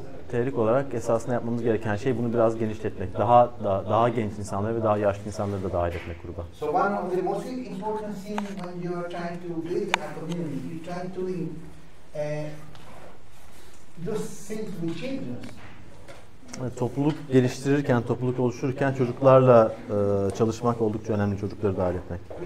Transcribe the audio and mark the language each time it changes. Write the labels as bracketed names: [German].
[Turkish] teorik olarak esasında yapmamız gereken şey bunu biraz genişletmek. Daha genç insanları ve daha yaşlı insanları da dahil etmek gruba. [English] So one of the most important things when you are trying to build a community, you try to do things with children. [Turkish] Topluluk geliştirirken, topluluk oluştururken çocuklarla çalışmak oldukça önemli, çocukları dahil etmek.